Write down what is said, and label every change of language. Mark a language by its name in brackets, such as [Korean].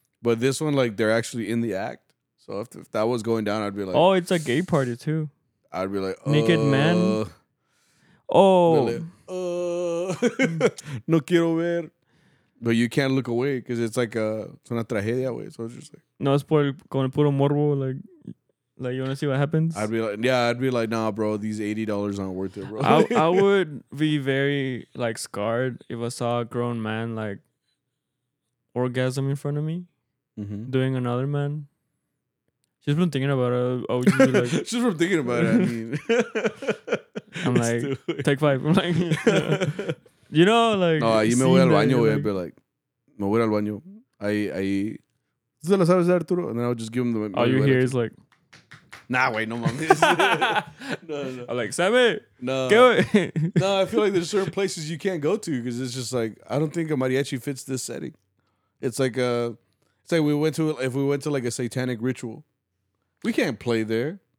[English] But this one, like, they're actually in the act. So if that was going down, I'd be like, oh, it's a gay party too. I'd be like, naked man. Oh, like, [Spanish] no quiero ver. [English] But you can't look away because it's like it's una tragedia, wey. So it's just like, [Spanish] no, es por con el puro morbo, like. [English] Like, you want to see what happens? I'd be like, yeah, I'd be like, nah, bro, these $80 aren't worth it, bro. I would be very, like, scarred if I saw a grown man, like, orgasm in front of me, mm-hmm. doing another man. She's been thinking about it. I would be like, she's been thinking about it, I mean. I'm like, take five. I'm like, you know, like. [Spanish] No, yo me voy al baño, like, I'd be like, me voy al baño. Ahí, ahí. ¿Tú la sabes, Arturo? [English] And then I would just give him the. All you hear is like. Nah, wait, no mames. No. I'm like, Sammy. No. Get it. No, I feel like there's certain places you can't go to because it's just like, I don't think a mariachi fits this setting. It's like if we went to like a satanic ritual, we can't play there.